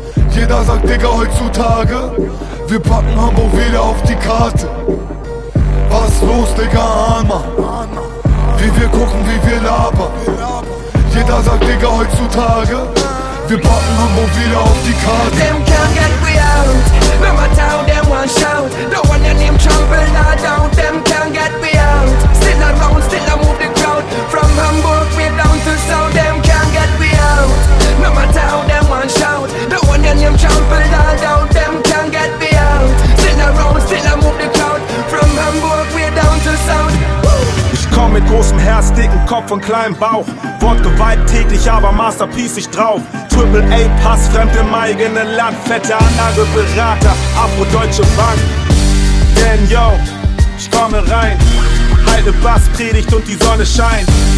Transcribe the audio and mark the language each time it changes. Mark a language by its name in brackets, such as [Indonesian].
[German] Jeder sagt, Digga, heutzutage, wir packen Hamburg wieder auf die Karte. Was los, Digga, Hammer, wie wir gucken, wie wir labern. Jeder sagt, Digga, heutzutage, wir packen Hamburg wieder auf die Karte. [English] Them can't get we out, no matter how them one shout. The one that name trample now down, them can't get we out. Still around, still I move the crowd. From Hamburg we down to South, them can't get we out. No matter how them one shout. The one that name trample now down, them can't get we out. Still around, still I move the crowd. From Hamburg we down to South. [German] Komm mit großem Herz, dicken Kopf und kleinem Bauch. Wortgewalt täglich, aber Masterpiece ich drauf. Triple A Pass, fremd im eigenen Land. Fette Anlageberater, Afro-Deutsche Bank. Danyo, ich komme rein. Halte Bass, predigt und die Sonne scheint.